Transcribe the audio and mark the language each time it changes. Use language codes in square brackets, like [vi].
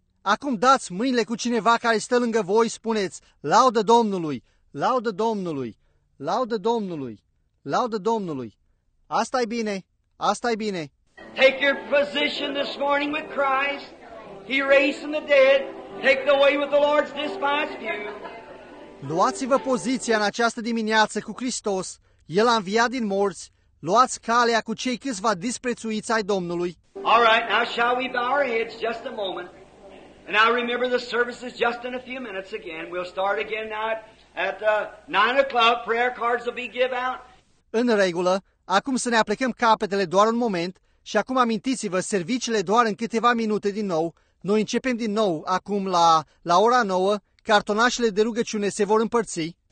[ro] Acum dați mâinile cu cineva care stă lângă voi, spuneți: laudă Domnului, laudă Domnului, laudă Domnului, laudă Domnului. Asta e bine, asta e bine. [en] Take your position this morning with Christ. He raised from the dead. Take the way with the Lord's despised you. [ro] Luați-vă poziția în această dimineață cu Hristos. El a înviat din morți. Luați calea cu cei câțiva disprețuiți ai Domnului. [en] All right, now shall we bow our heads just a moment? And now remember the service is just in a few minutes again. We'll start again now at 9 o'clock. Prayer cards will be given out. [ro] În regulă, acum să ne aplicăm capetele doar un moment și acum amintiți-vă serviciile doar în câteva minute din nou. Noi începem din nou acum la ora 9, cartonașele de rugăciune se vor împărți.